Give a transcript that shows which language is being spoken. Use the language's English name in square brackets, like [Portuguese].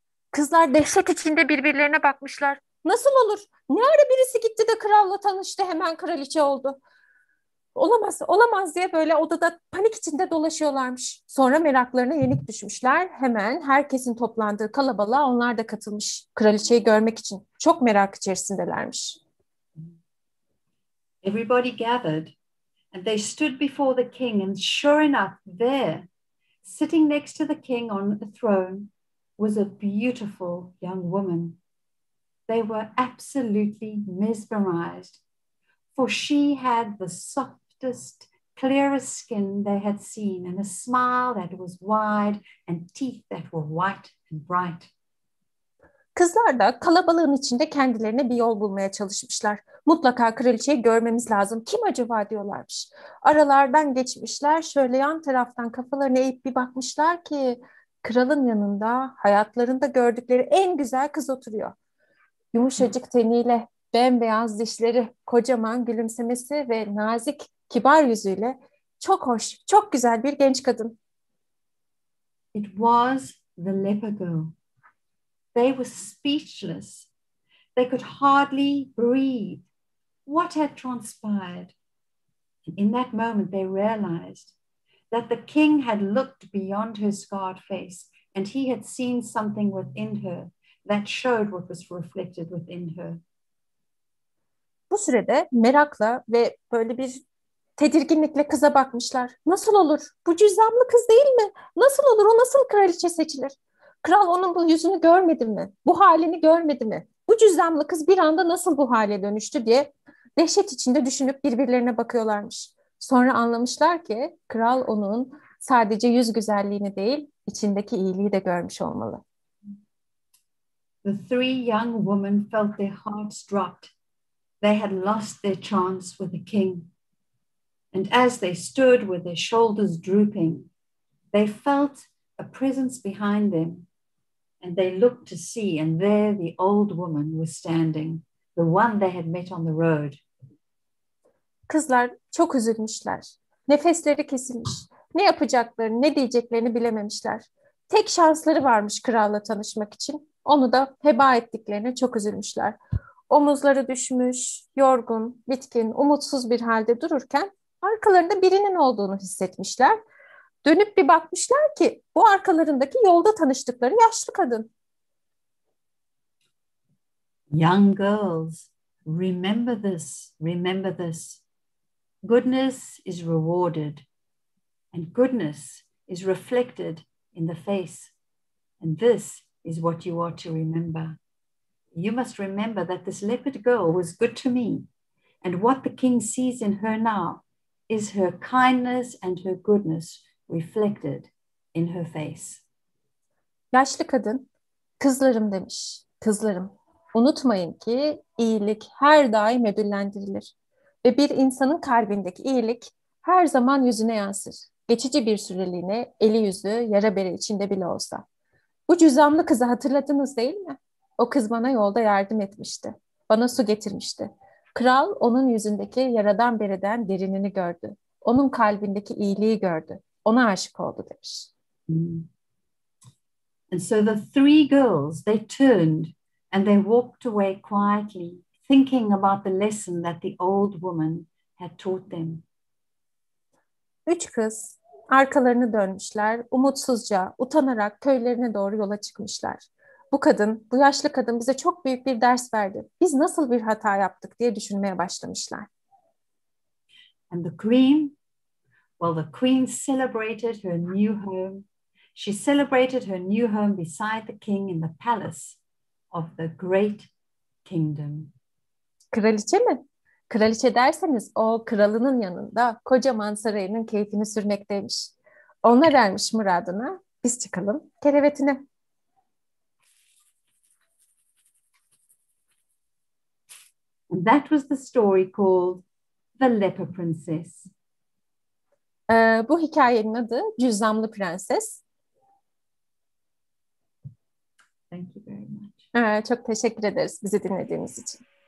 [Turkish] Kızlar dehşet içinde birbirlerine bakmışlar. Nasıl olur? Ne ara birisi gitti de kralla tanıştı, hemen kraliçe oldu. Olamaz, olamaz diye böyle odada panik içinde dolaşıyorlarmış. Sonra meraklarına yenik düşmüşler. Hemen herkesin toplandığı kalabalığa onlar da katılmış. Kraliçeyi görmek için çok merak içerisindelermiş. [English] Everybody gathered and they stood before the king, and sure enough, there, sitting next to the king on the throne, was a beautiful young woman. They were absolutely mesmerized, for she had the softest, clearest skin they had seen, and a smile that was wide, and teeth that were white and bright. [Turkish] Kızlar da kalabalığın içinde kendilerine bir yol bulmaya çalışmışlar. Mutlaka kraliçeyi görmemiz lazım. Kim acaba diyorlarmış. Aralardan geçmişler, şöyle yan taraftan kafalarını eğip bir bakmışlar ki kralın yanında hayatlarında gördükleri en güzel kız oturuyor. Yumuşacık teniyle, bembeyaz dişleri, kocaman gülümsemesi ve nazik, kibar yüzüyle çok hoş, çok güzel bir genç kadın. [English] It was the leper girl. They were speechless. They could hardly breathe. What had transpired? In that moment, they realized that the king had looked beyond her scarred face and he had seen something within her that showed what was reflected within her. [Turkish] Bu sırada merakla ve böyle bir tedirginlikle kıza bakmışlar. Nasıl olur? Bu cüzdanlı kız değil mi? Nasıl olur? O nasıl kraliçe seçilir? Kral onun bu yüzünü görmedi mi? Bu halini görmedi mi? Bu cüzdanlı kız bir anda nasıl bu hale dönüştü diye dehşet içinde düşünüp birbirlerine bakıyorlarmış. Sonra anlamışlar ki kral onun sadece yüz güzelliğini değil, içindeki iyiliği de görmüş olmalı. [English] The three young women felt their hearts dropped. They had lost their chance with the king. And as they stood with their shoulders drooping, they felt a presence behind them. And they looked to see, and there the old woman was standing, the one they had met on the road. [Turkish] Kızlar çok üzülmüşler. Nefesleri kesilmiş. Ne yapacaklarını, ne diyeceklerini bilememişler. Tek şansları varmış kralla tanışmak için. Onu da heba ettiklerine çok üzülmüşler. Omuzları düşmüş, yorgun, bitkin, umutsuz bir halde dururken arkalarında birinin olduğunu hissetmişler. Dönüp bir bakmışlar ki bu arkalarındaki yolda tanıştıkları yaşlı kadın. [English] Young girls, remember this, remember this. Goodness is rewarded and goodness is reflected in the face. And this is what you are to remember. You must remember that this leopard girl was good to me, and what the king sees in her now is her kindness and her goodness reflected in her face. [Turkish] Yaşlı kadın, kızlarım demiş, kızlarım, unutmayın ki iyilik her daim ödüllendirilir ve bir insanın kalbindeki iyilik her zaman yüzüne yansır, geçici bir süreliğine, eli yüzü yara bere içinde bile olsa. Bu cüzdanlı kızı hatırladınız değil mi? O kız bana yolda yardım etmişti. Bana su getirmişti. Kral onun yüzündeki yaradan bereden derinini gördü. Onun kalbindeki iyiliği gördü. Ona aşık oldu demiş. [English] And so the three girls, they turned and they walked away quietly, thinking about the lesson that the old woman had taught them. [Turkish] Üç kız arkalarını dönmüşler, umutsuzca, utanarak köylerine doğru yola çıkmışlar. Bu kadın, bu yaşlı kadın bize çok büyük bir ders verdi. Biz nasıl bir hata yaptık diye düşünmeye başlamışlar. [English] And the queen, well, the queen celebrated her new home. She celebrated her new home beside the king in the palace of the great kingdom. [Turkish] Kraliçe mi? Kraliçe derseniz o kralının yanında kocaman sarayının keyfini sürmekteymiş. Onlar ermiş muradına, biz çıkalım kerevetine. [English] And that was the story called The Leper Princess. [Turkish] Bu hikayenin adı Cüzdanlı Prenses. [English] Thank you very much. [Turkish] Çok teşekkür ederiz bizi dinlediğiniz için.